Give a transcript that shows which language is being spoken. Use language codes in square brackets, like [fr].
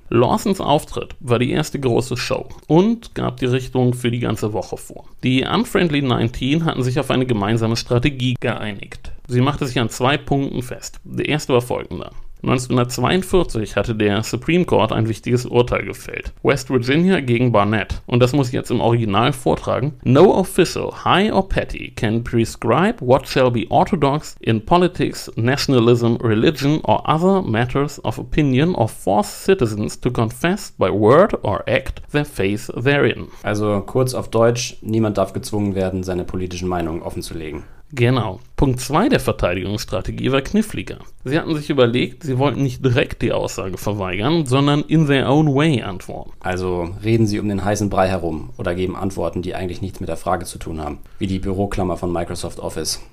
[de] Lawsons Auftritt war die erste große Show und gab die Richtung für die ganze Woche vor. Die Unfriendly 19 hatten sich auf eine gemeinsame Strategie geeinigt. Sie machte sich an zwei Punkten fest. Der erste war folgender. 1942 hatte der Supreme Court ein wichtiges Urteil gefällt. West Virginia gegen Barnett. Und das muss ich jetzt im Original vortragen. [en] "No official, high or petty, can prescribe what shall be orthodox in politics, nationalism, religion or other matters of opinion or force citizens to confess by word or act their faith therein." [de] Also kurz auf Deutsch, niemand darf gezwungen werden, seine politischen Meinungen offenzulegen. Genau. Punkt 2 der Verteidigungsstrategie war kniffliger. Sie hatten sich überlegt, sie wollten nicht direkt die Aussage verweigern, sondern [en] in their own way [de] antworten. Also reden sie um den heißen Brei herum oder geben Antworten, die eigentlich nichts mit der Frage zu tun haben, wie die Büroklammer von Microsoft Office.